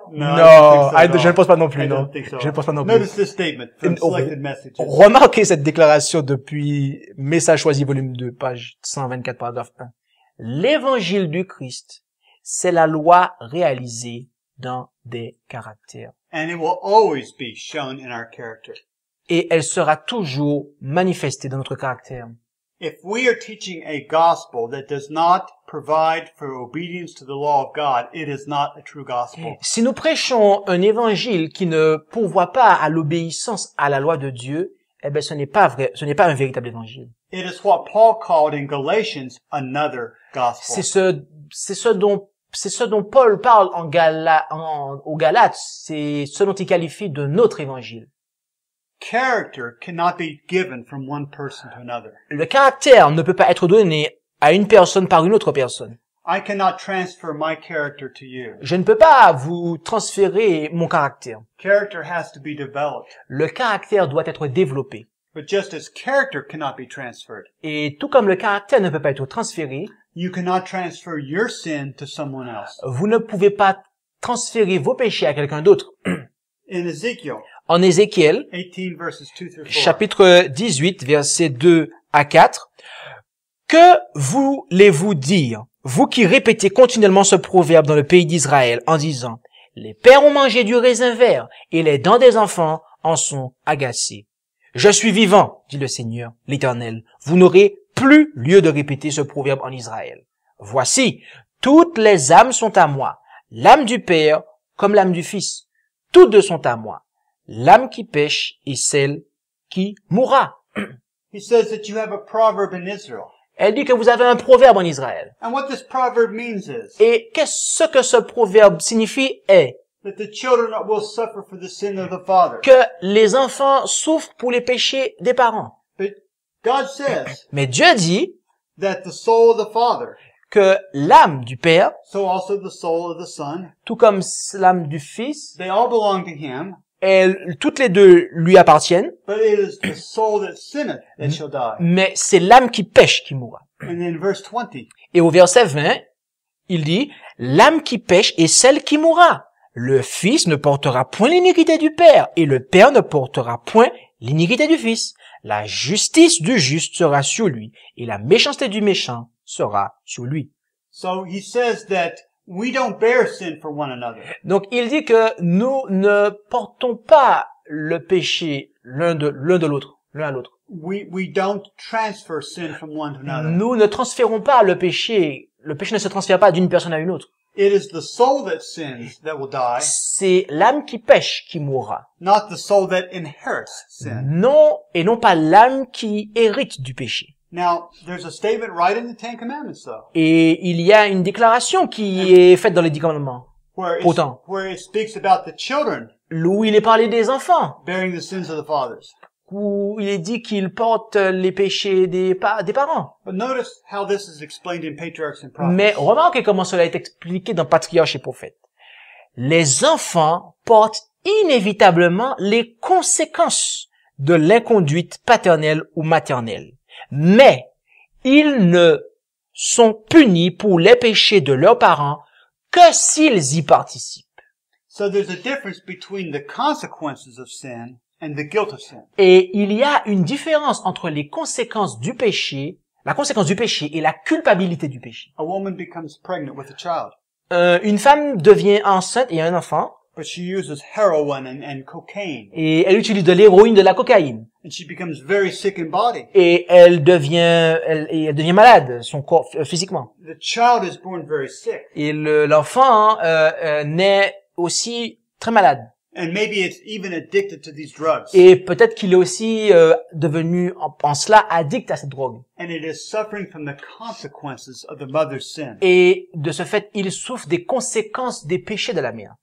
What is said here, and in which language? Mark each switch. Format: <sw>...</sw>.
<fr>Non, je ne pense pas non plus. Je ne pense pas non plus.</fr> <en>Notice this statement from Selected Messages.</en> <fr>Remarquez cette déclaration depuis Message choisi, volume 2, page 124, paragraphe 1. L'évangile du Christ, c'est la loi réalisée dans des caractères.</fr> <en>And it will always be shown in our character.</en> <fr>Et elle sera toujours manifestée dans notre caractère.</fr> <en>If we are teaching a gospel that does not provide for obedience to the law of God, it is not a true gospel.</en> <fr>Si nous prêchons un évangile qui ne pourvoit pas à l'obéissance à la loi de Dieu, eh ben ce n'est pas vrai, ce n'est pas un véritable évangile.</fr> <en>It is what Paul called in Galatians another gospel.</en> <fr>C'est ce dont Paul parle aux Galates, c'est ce dont il qualifie de notre évangile.</fr> <en>Character cannot be given from one person to another.</en> <fr>Le caractère ne peut pas être donné à une personne par une autre personne.</fr> <en>I cannot transfer my character to you.</en> <fr>Je ne peux pas vous transférer mon caractère.</fr> <en>Character has to be developed.</en> <fr>Le caractère doit être développé.</fr> <en>But just as character cannot be transferred.</en> <fr>Et tout comme le caractère ne peut pas être transféré,</fr> <en>you cannot transfer your sin to someone else.</en> <fr>Vous ne pouvez pas transférer vos péchés à quelqu'un d'autre.</fr> <en>In Ezekiel.</en> <fr>En Ézéchiel,</fr> <en>18, verses 2 through 4.</en> <fr>Chapitre 18, versets 2 à 4, « Que voulez-vous dire, vous qui répétez continuellement ce proverbe dans le pays d'Israël, en disant, « Les pères ont mangé du raisin vert, et les dents des enfants en sont agacées. Je suis vivant, dit le Seigneur, l'Éternel, vous n'aurez plus lieu de répéter ce proverbe en Israël. Voici, toutes les âmes sont à moi, l'âme du Père comme l'âme du Fils, toutes deux sont à moi. L'âme qui pêche est celle qui mourra.</fr> <en>He says that you have a proverb in Israel.</en> <fr>Elle dit que vous avez un proverbe en Israël.</fr> <en>And what this proverb means is,</en> <fr>et qu'est-ce que ce proverbe signifie est</fr> <en>that the children will suffer for the sin of the father.</en> <fr>Que les enfants souffrent pour les péchés des parents.</fr> <en>But God says,</en> <fr>mais Dieu dit</fr> <en>that the soul of the father,</en> <fr>que l'âme du Père,</fr> <en>so also the soul of the son,</en> <fr>tout comme l'âme du Fils,</fr> <en>they all belong to him.</en> <fr>Elles, toutes les deux lui appartiennent.</fr> <en>But it is the soul that sinneth that shall die.</en> <fr>Mais c'est l'âme qui pêche qui mourra.</fr> <en>And then verse 20.</en> <fr>Et au verset 20, il dit, l'âme qui pèche est celle qui mourra. Le fils ne portera point l'iniquité du père, et le père ne portera point l'iniquité du fils. La justice du juste sera sur lui, et la méchanceté du méchant sera sur lui.</fr> <en>So he says that we don't bear sin for one another.</en> <fr>Donc il dit que nous ne portons pas le péché l'un à l'autre.</fr> <en>We don't transfer sin from one to another.</en> <fr>Nous ne transférons pas le péché. Le péché ne se transfère pas d'une personne à une autre.</fr> <en>It is the soul that sins that will die.</en> <fr>C'est l'âme qui pèche qui mourra.</fr> <en>Not the soul that inherits sin.</en> <fr>Non, et non pas l'âme qui hérite du péché.</fr> <en>Now, there's a statement right in the Ten Commandments, though.</en> <fr>Et il y a une déclaration qui est faite dans les Dix Commandements. Pourtant.</fr> <en>Where it speaks about the children.</en> <fr>Où il est parlé des enfants.</fr> <en>Bearing the sins of the fathers.</en> <fr>Où il est dit qu'il porte les péchés des parents.</fr> <en>But notice how this is explained in Patriarchs and Prophets.</en> <fr>Mais remarquez comment cela est expliqué dans Patriarches et Prophètes. Les enfants portent inévitablement les conséquences de l'inconduite paternelle ou maternelle. Mais ils ne sont punis pour les péchés de leurs parents que s'ils y participent.</fr> <en>So there's a difference between the consequences of sin and the guilt of sin.</en> <fr>Et il y a une différence entre les conséquences du péché, la conséquence du péché et la culpabilité du péché.</fr> <en>A woman becomes pregnant with a child.</en> <fr>Une femme devient enceinte et a un enfant.</fr> <en>But she uses heroin and cocaine.</en> <fr>Et elle utilise de l'héroïne, de la cocaïne.</fr> <en>And she becomes very sick in body.</en> <fr>Et elle devient malade, son corps physiquement.</fr> <en>The child is born very sick.</en> <fr>Et l'enfant naît aussi très malade.</fr> <en>And maybe it's even addicted to these drugs.</en> <fr>Et peut-être qu'il est aussi devenu en cela addict à cette drogue.</fr> <en>And it is suffering from the consequences of the mother's sin.</en> <fr>Et de ce fait, il souffre des conséquences des péchés de la mère.</fr>